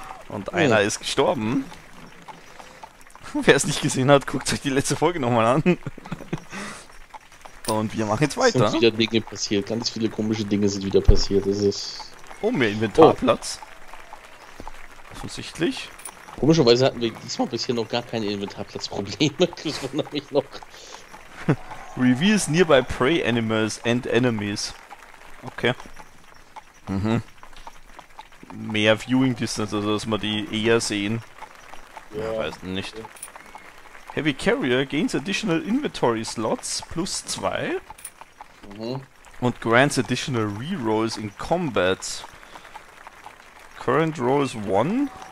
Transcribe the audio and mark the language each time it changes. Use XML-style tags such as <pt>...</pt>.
<de>Und einer ist gestorben. Wer es nicht gesehen hat, guckt euch die letzte Folge nochmal an. Und wir machen jetzt weiter. Es sind wieder Dinge passiert. Ganz viele komische Dinge sind wieder passiert. Das ist... Oh, mehr Inventarplatz. Oh. Offensichtlich. Komischerweise hatten wir diesmal bisher noch gar keine Inventarplatzprobleme. Das wundert mich noch.</de> <en>Reveals nearby prey animals and enemies. Okay. Mhm.</en> <de>Mehr Viewing Distance, also dass wir die eher sehen. Ja. Ich weiß nicht.</de> <en>Okay. Heavy Carrier gains additional inventory slots plus 2. Mhm. Und grants additional rerolls in combat. Current rolls 1.</en>